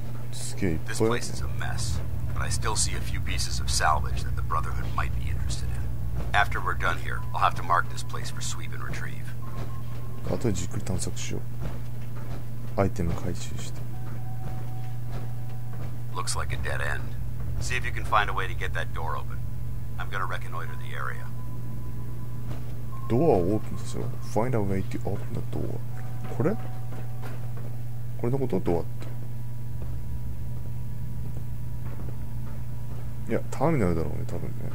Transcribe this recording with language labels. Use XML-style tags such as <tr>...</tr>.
<en>This place is a mess, but I still see a few pieces of salvage that the Brotherhood might be interested in. After we're done here, I'll have to mark this place for sweep and retrieve.</en> <ja>あとはじっくり探索しよう。アイテム回収して。</ja> <en>Looks like a dead end. See if you can find a way to get that door open. I'm gonna reconnoiter the area.</en> <ja>ドアをオープンさせろ。</ja> <en>Find a way to open the door.</en> <ja>これ? これのことはドアって。いや、ターミナルだろうね、多分ね。</ja>